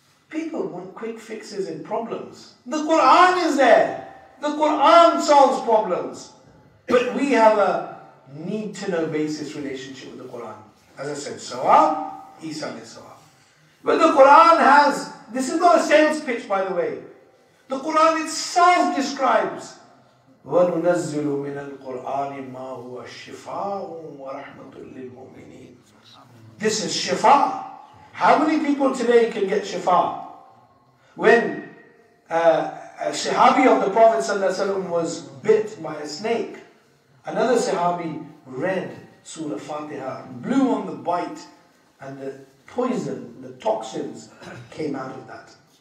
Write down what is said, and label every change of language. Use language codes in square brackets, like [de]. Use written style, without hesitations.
[en] People want quick fixes in problems. The Quran is there. The Quran solves problems. But we have a need to know basis relationship with the Quran. As I said, Sawab, Isa alayhi Sawab. But the Quran has, this is not a sales pitch, by the way. The Quran itself describes, [ar] وَنُنَزِّلُ مِنَ الْقُرْآنِ مَا هُوَ الشِّفَاءٌ وَرَحْمَةٌ لِلْمُؤْمِنِينَ. [en] This is shifa. How many people today can get shifa? When a sahabi of the Prophet ﷺ was bit by a snake, another sahabi read Surah Fatiha, blew on the bite, and the poison, the toxins came out of that.